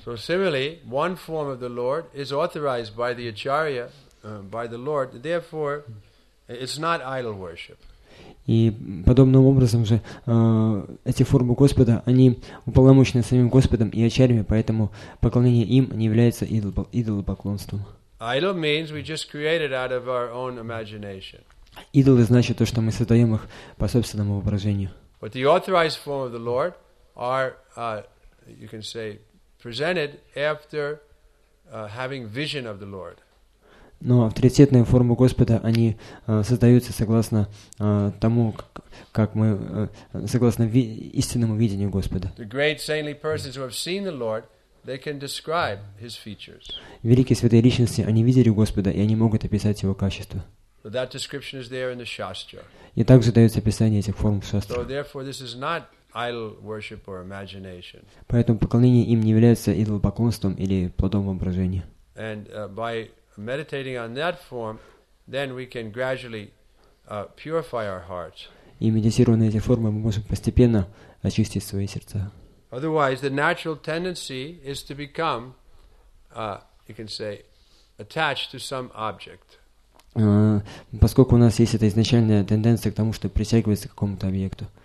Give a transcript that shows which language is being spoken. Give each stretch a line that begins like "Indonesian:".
English: So similarly, one form of the Lord is authorized by the Acharya, by the Lord. Therefore, it's not idol worship.
Russian: И подобным образом же эти формы Господа, они уполномочены самим Господом и Ачарьями, поэтому поклонение им не является идолопоклонством.
English: Idol means we just created out of our own imagination.
Russian: Идолы значит то, что мы создаем их по собственному воображению.
English: But the authorized form of the Lord are, you can say, presented after having vision of the Lord.
Russian: Но авторитетные формы Господа они создаются согласно тому, как мы согласно истинному видению Господа.
English: The great saintly persons who have seen the Lord, they can describe His features.
Russian: Великие святые личности они видели Господа и они могут описать Его качества.
English: So that description is there in the Shastra.
Russian: И также дается описание этих форм в Шастре.
English: So therefore, this is not idol worship or imagination.
Russian: Поэтому поклонение им не является идолопоклонством или плодом воображения.
English: And by meditating on that form, then we can gradually purify our hearts.
Russian: И медитируя на эти формы, мы можем постепенно очистить свои сердца.
English: Otherwise, the natural tendency is to become, you can say, attached to some object.
Russian: Поскольку у нас есть эта изначальная тенденция к тому, чтобы притягиваться к какому-то объекту,